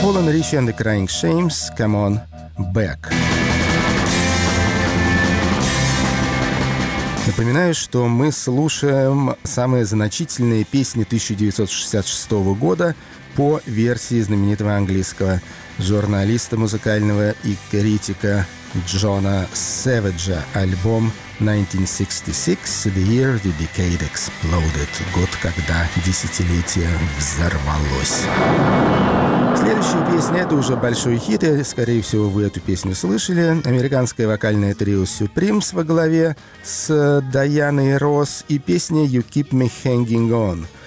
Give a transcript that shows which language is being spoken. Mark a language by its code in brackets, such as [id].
[en] Richie and the Crying Shames, come on back. [ru] Напоминаю, что мы слушаем самые значительные песни 1966 года по версии знаменитого английского журналиста музыкального и критика Джона Сэвиджа. Альбом 1966, The Year the Decade Exploded. Год, когда десятилетие взорвалось. Следующая песня – это уже большой хит, и, скорее всего, вы эту песню слышали. Американское вокальное трио «Supremes» во главе с Дайаной Росс и песня «You Keep Me Hanging On».